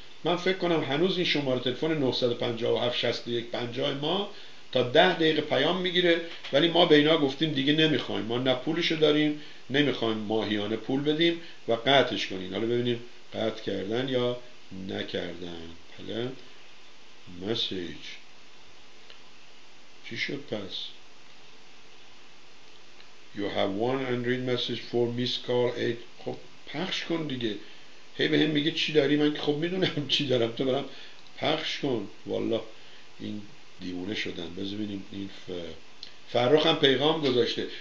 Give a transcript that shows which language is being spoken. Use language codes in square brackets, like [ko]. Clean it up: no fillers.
[fa] من فکر کنم هنوز این شماره تلفن 957-6150 ما تا 10 دقیقه پیام میگیره، ولی ما به اینا گفتیم دیگه نمیخوایم، ما نه پولشو داریم نمیخوایم ماهیانه پول بدیم و قطعش کنین. حالا ببینیم قطع کردن یا نکردن. حالا مسیج چی شد پس؟ [en] You have one unread message for miss call 8. [fa] خب پخش کن دیگه، هی به هم میگه چی داری، من خب میدونم چی دارم، تو برام پخش کن. والا این دیوونه شدن. بذار ببینیم این فرخ هم پیغام گذاشته.